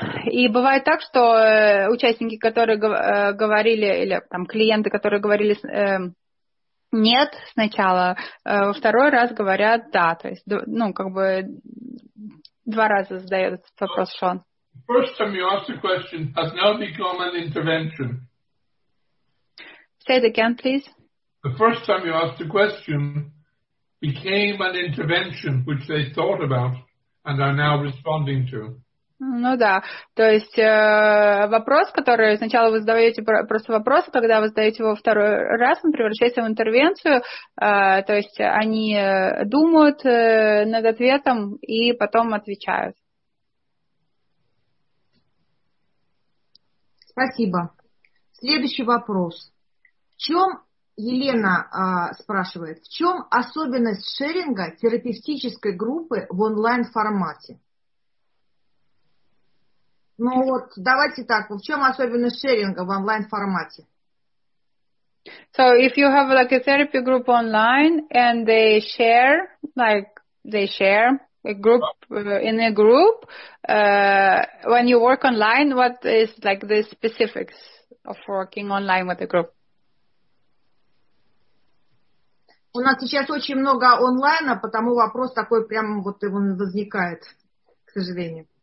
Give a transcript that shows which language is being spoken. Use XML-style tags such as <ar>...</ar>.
<ru>И бывает так, что участники, которые говорили, или там клиенты, которые говорили нет сначала, во второй раз говорят да. То есть, ну, как бы два раза задают этот вопрос Шон.</ru> <en>First time you ask the question has now become an intervention. Say it again, please. The first time you ask the question became an intervention which they thought about and are now responding to.</en> <ru>Ну да, то есть вопрос, который сначала вы задаете просто вопрос, когда вы задаете его второй раз, он превращается в интервенцию, то есть они думают над ответом и потом отвечают. Спасибо. Следующий вопрос. В чем... Елена спрашивает, в чем особенность шеринга терапевтической группы в онлайн-формате? Ну вот, давайте так, в чем особенность шеринга в онлайн-формате?</ru> <en>So, if you have like a therapy group online and they share, like, they share a group in a group, when you work online, what is like the specifics of working online with a group?</en> <ru>У нас сейчас очень много онлайна, потому вопрос такой прямо вот и он возникает, к сожалению.</ru>